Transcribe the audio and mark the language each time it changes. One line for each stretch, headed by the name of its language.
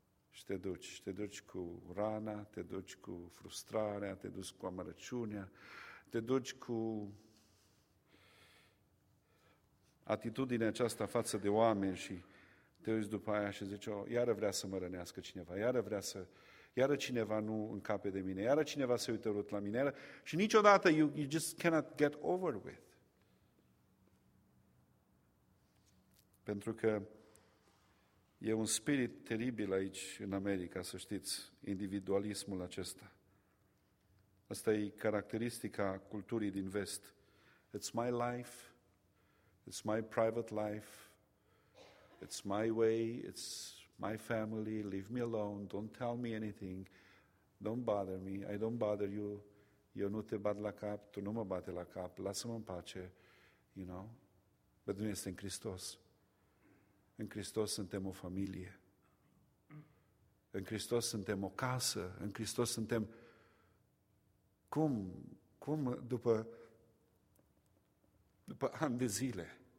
Romanian: Și te duci, și te duci cu rana, te duci cu frustrarea, te duci cu amărăciunea, te duci cu atitudinea aceasta față de oameni și te uiți după aia și zici, iară vrea să mă rănească cineva, iară cineva nu încape de mine, iară cineva se uită urât la mine, iară, și niciodată
English: you just cannot get over with.
Romanian: Pentru că e un spirit teribil aici în America, să știți, individualismul acesta. Asta e caracteristica culturii din vest.
English: It's my life, it's my private life, it's my way, it's my family, leave me alone, don't tell me anything, don't bother me, I don't bother you,
Romanian: eu nu te bat la cap, tu nu mă bate la cap, lasă-mă în pace,
English: you know?
Romanian: Dar nu este în Hristos. În Hristos suntem o familie. În Hristos suntem o casă. În Hristos suntem... Cum după ani de zile...